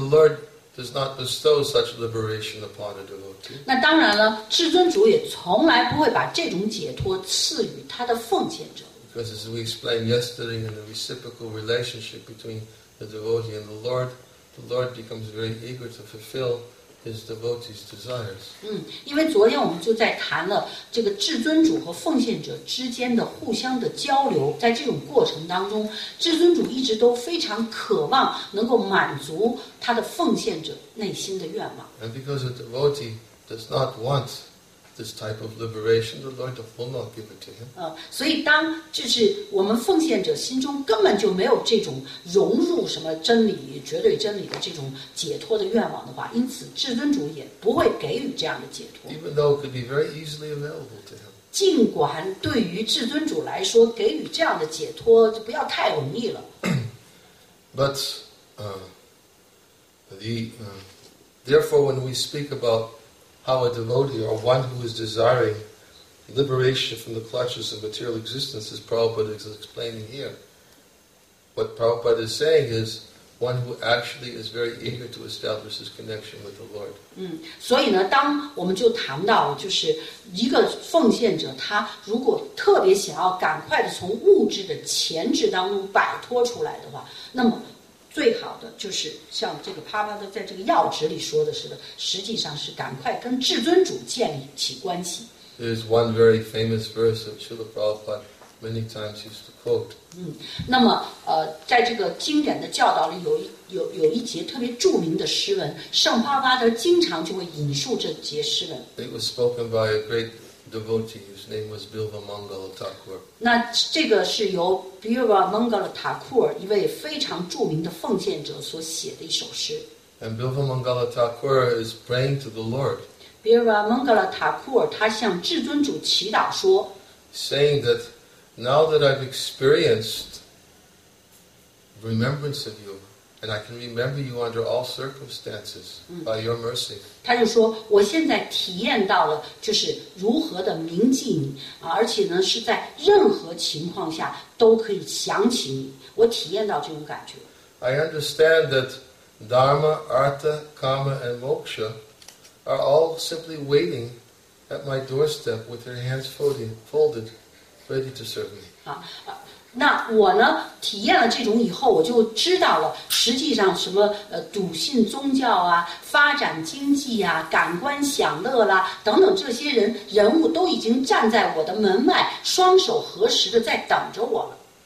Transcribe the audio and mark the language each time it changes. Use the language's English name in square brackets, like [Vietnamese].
[English] And the Lord does not bestow such liberation upon a devotee. [Chinese] 那当然了，至尊主也从来不会把这种解脱赐予他的奉献者。 [English] Because as we explained yesterday in the reciprocal relationship between the devotee and the Lord becomes very eager to fulfill His devotees' desires. [Chinese] 因为昨天我们就在谈了这个至尊主和奉献者之间的互相的交流，在这种过程当中，至尊主一直都非常渴望能够满足他的奉献者内心的愿望。 [English] And because a devotee does not want this type of liberation, the Lord will not give it to him. [Chinese] 所以当就是我们奉献者心中根本就没有这种融入什么真理、绝对真理的这种解脱的愿望的话，因此至尊主也不会给予这样的解脱。 [English] Even though it could be very easily available to him. [Chinese] 尽管对于至尊主来说，给予这样的解脱就不要太容易了。 [English] But, therefore, when we speak aboutHow a devotee or one who is desiring liberation from the clutches of material existence, as Prabhupada is explaining here. What Prabhupada is saying is one who actually is very eager to establish his connection with the Lord. [Chinese] 所以呢，当我们就谈到，就是一个奉献者，他如果特别想要赶快的从物质的钳制当中摆脱出来的话，那么最好的就是像这个帕帕的在这个要旨里说的是的，实际上是赶快跟至尊主建立起关系。 [English] There's one very famous verse that Srila Prabhupada many times used to quote. [Chinese] 那么在这个经典的教导里有一节特别著名的诗文，圣帕帕德经常就会引述这节诗文。 [English] It was spoken by a great devotee whose name was Bilva Mangala Thakur. [Chinese] 那这个是由 Bilva Mangala Thakur 一位非常著名的奉献者所写的一首诗。 [English] And Bilva Mangala Thakur is praying to the Lord. [Chinese] Bilva Mangala Thakur 他向至尊主祈祷说， [English] saying that now that I've experienced remembrance of you, and I can remember you under all circumstances by your mercy. [Chinese] 他就说，我现在体验到了就是如何的铭记你，而且呢是在任何情况下都可以想起你，我体验到这种感觉。 [English] I understand that Dharma, Artha, Kama and Moksha are all simply waiting at my doorstep with their hands folded, ready to serve me. [Chinese] 那我呢体验了这种以后，我就知道了实际上什么笃信宗教啊，发展经济啊，感官享乐啦等等，这些人物都已经站在我的门外，双手合十的在等着我了。